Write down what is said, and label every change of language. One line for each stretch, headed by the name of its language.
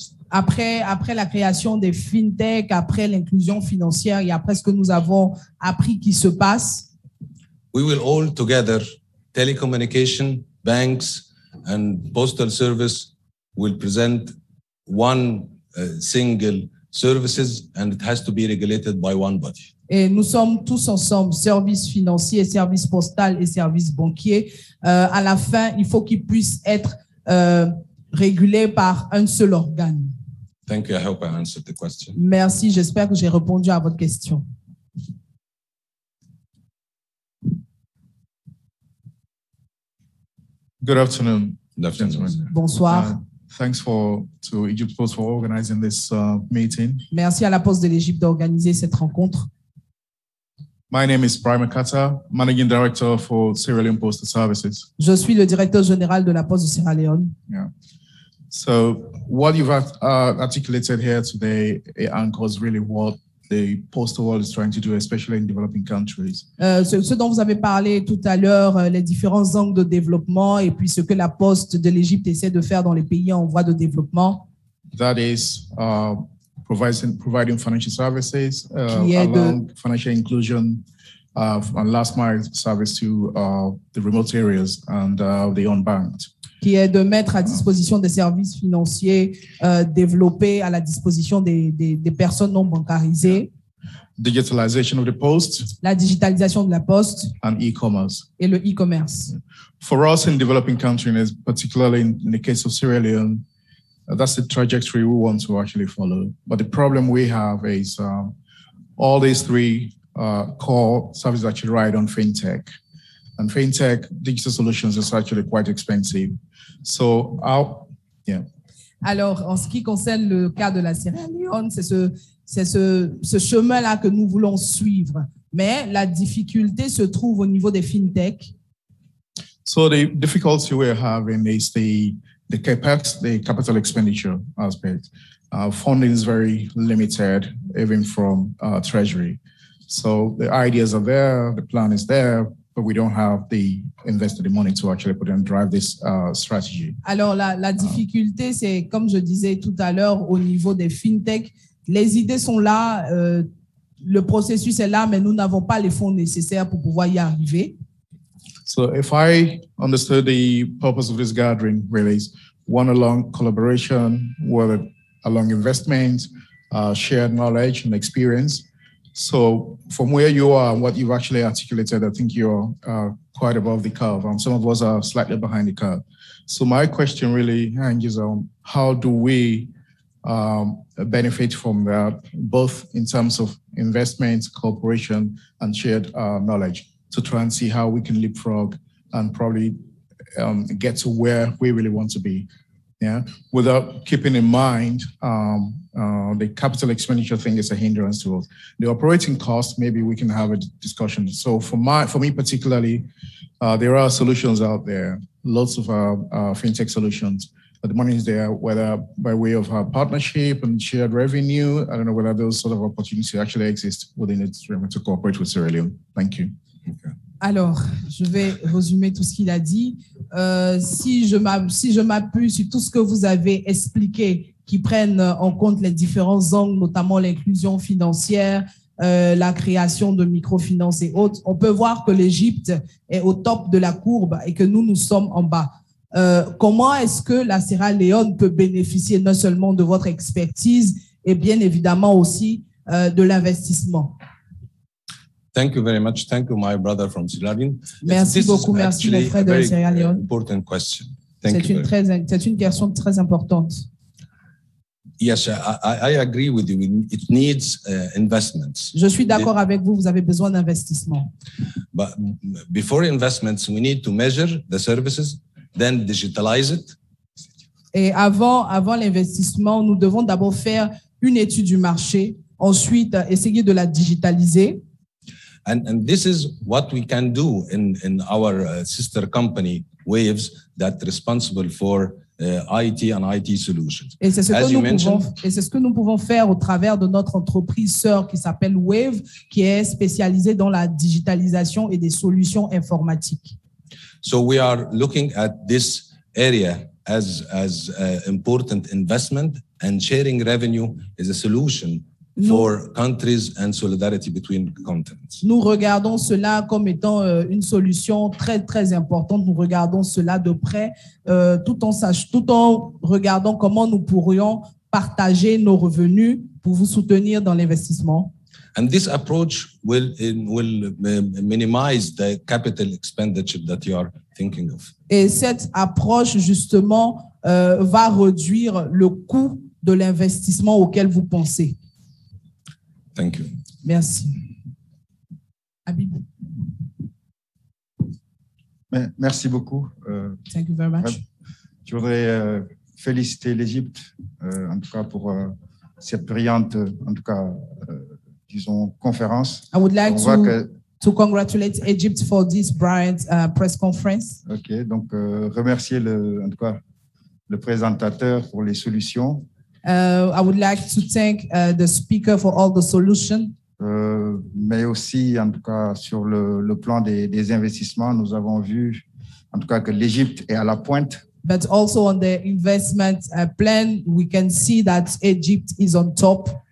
French: Après la création des fintech, après l'inclusion financière et après ce que nous avons appris qui se passe.
English: We will all together, telecommunication, banks and postal service will present one single services and it has to be regulated by one body.
French: Et nous sommes tous ensemble, services financiers, services postaux et services banquiers. À la fin, il faut qu'ils puissent être régulés par un seul organe.
English: Thank you. I hope I answered the question.
French: Merci. J'espère que j'ai répondu à votre question.
English: Good afternoon. Good afternoon.
French: Bonsoir.
English: Thanks to Egypt Post for organizing this meeting.
French: Merci à la Poste de l'Égypte d'organiser cette rencontre.
English: My name is Brian McCutter, Managing Director for Sierra Leone Postal Services.
French: Je suis le directeur général de la Poste de Sierra Leone.
English: Yeah. So what you've articulated here today, it anchors really what the postal world is trying to do, especially in developing countries.
French: Ce dont vous avez parlé tout à l'heure, les différents angles de développement et puis ce que la Poste de l'Égypte essaie de faire dans les pays en voie de développement.
English: That is providing financial services along financial inclusion and last mile service to the remote areas and the unbanked.
French: Qui est de mettre à disposition des services financiers développés à la disposition des personnes non bancarisées.
English: Yeah. Digitalization of the post.
French: La digitalisation de la poste.
English: And e-commerce.
French: Et le e-commerce.
English: For us in developing countries, particularly in the case of Sierra Leone, that's the trajectory we want to actually follow. But the problem we have is all these three core services actually ride on fintech. And fintech digital solutions is actually quite expensive. So, yeah.
French: Alors, en ce qui concerne le cas de la Sierra Leone, c'est ce chemin-là que nous voulons suivre. Mais la difficulté se trouve au niveau des fintech.
English: So, the difficulty we're having is the capex, the capital expenditure aspect. Funding is very limited, even from Treasury. So the ideas are there, the plan is there, but we don't have the invested the money to actually put and drive this strategy.
French: Alors la difficulté, c'est comme je disais tout à l'heure au niveau des fintech, les idées sont là, le processus est là, mais nous n'avons pas les fonds nécessaires pour pouvoir y arriver.
English: So if I understood the purpose of this gathering, really, is one along collaboration, whether along investments, shared knowledge and experience. So from where you are, what you've actually articulated, I think you're quite above the curve, and some of us are slightly behind the curve. So my question really hinges on how do we benefit from that, both in terms of investments, cooperation, and shared knowledge, to try and see how we can leapfrog and probably get to where we really want to be. Yeah, without keeping in mind the capital expenditure thing is a hindrance to us. The operating cost, maybe we can have a discussion. So for me particularly, there are solutions out there, lots of fintech solutions. But the money is there, whether by way of our partnership and shared revenue. I don't know whether those sort of opportunities actually exist within its remit to cooperate with Sierra Leone. Thank you.
French: Alors, je vais résumer tout ce qu'il a dit. Si je m'appuie sur tout ce que vous avez expliqué, qui prennent en compte les différents angles, notamment l'inclusion financière, la création de microfinances et autres, on peut voir que l'Égypte est au top de la courbe et que nous sommes en bas. Comment est-ce que la Sierra Leone peut bénéficier non seulement de votre expertise et bien évidemment aussi de l'investissement?
English: Thank you very much. Thank you, my brother from Sierra Leone.
French: Merci beaucoup. Merci, mon frère de Sierra Leone.
English: Important question.
French: C'est une question très importante.
English: Yes, I agree with you. It needs investments.
French: Je suis d'accord avec vous. Vous avez besoin d'investissement.
English: But before investments, we need to measure the services, then digitalize it.
French: Et avant l'investissement, nous devons d'abord faire une étude du marché, ensuite essayer de la digitaliser.
English: And this is what we can do in our sister company Waves, that responsible for IT and IT solutions.
French: Et c'est ce que nous pouvons faire au travers de notre entreprise sœur qui s'appelle Wave, qui est spécialisée dans la digitalisation et des solutions informatiques.
English: So we are looking at this area as important investment, and sharing revenue is a solution. For countries and solidarity between continents.
French: Nous regardons cela comme étant une solution très très importante. Nous regardons cela de près, tout en regardant comment nous pourrions partager nos revenus pour vous soutenir dans l'investissement.
English: And this approach will minimize the capital expenditure that you are thinking of.
French: Et cette approche justement va réduire le coût de l'investissement auquel vous pensez.
English: Thank you.
French: Merci. Habib. Merci beaucoup.
English: Thank you very much.
French: Je voudrais féliciter l'Égypte, en tout cas pour cette brillante, en tout cas, disons, conférence.
English: I would like to congratulate Egypt for this bright press conference.
French: OK, donc remercier le présentateur pour les solutions.
English: I would like to thank the speaker for all the solutions.
French: Mais aussi, en tout cas, sur le plan des investissements, nous avons vu, en tout cas, que l'Égypte est à la pointe.
English: But also on the investment plan, we can see that Egypt is on top.